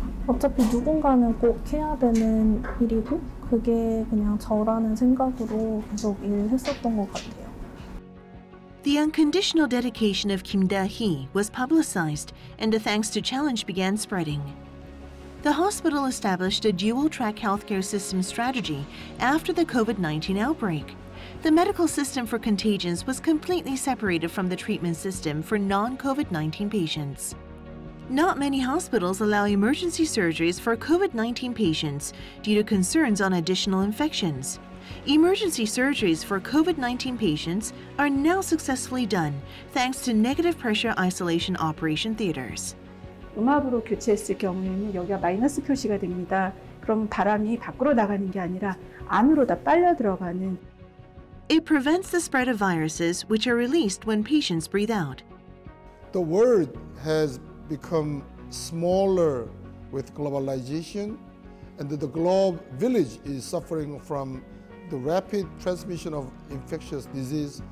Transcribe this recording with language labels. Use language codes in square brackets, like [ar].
[ko] 어차피 누군가는 꼭 해야 되는 일이고 그게 그냥 저라는 생각으로 계속 일을 했었던 것 같아요. [en] The unconditional dedication of Kim Dae-hee was publicized, and a thanks to challenge began spreading. The hospital established a dual-track healthcare system strategy after the COVID-19 outbreak. The medical system for contagions was completely separated from the treatment system for non-COVID-19 patients. Not many hospitals allow emergency surgeries for COVID-19 patients due to concerns on additional infections. Emergency surgeries for COVID-19 patients are now successfully done thanks to negative pressure isolation operation theaters. [ko] 음압으로 교체했을 경우에는 여기가 마이너스 표시가 됩니다. 그럼 바람이 밖으로 나가는 게 아니라 안으로 다 빨려 들어가는. [en] It prevents the spread of viruses which are released when patients breathe out. The world has become smaller with globalization, and the globe village is suffering from the rapid transmission of infectious disease.